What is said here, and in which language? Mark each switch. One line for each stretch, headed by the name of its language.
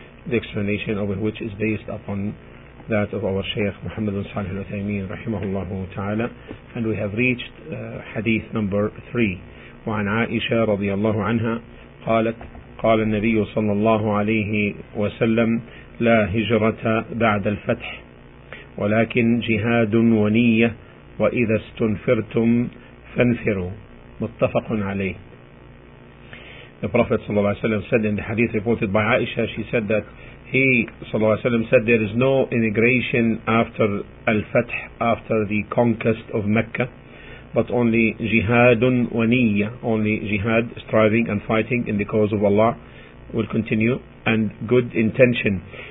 English: The explanation of which is based upon that of our Shaykh Muhammad bin Salih al-Uthaymeen
Arabic: رحمه تعالى.
English: And we have reached hadith number 3.
Arabic: وعن عائشة رضي الله عنها قالت قال النبي صلى الله عليه وسلم لا هجرة بعد الفتح ولكن جهاد ونية وإذا استنفرتم فانفروا. متفق عليه.
English: The Prophet
Arabic: صلى الله عليه وسلم
English: said in the hadith reported by Aisha, she said that he صلى الله عليه وسلم said there is no immigration after الفتح, after the conquest of Mecca, but only
Arabic: جهاد ونية,
English: only jihad, striving and fighting in the cause of Allah will continue, and good intention.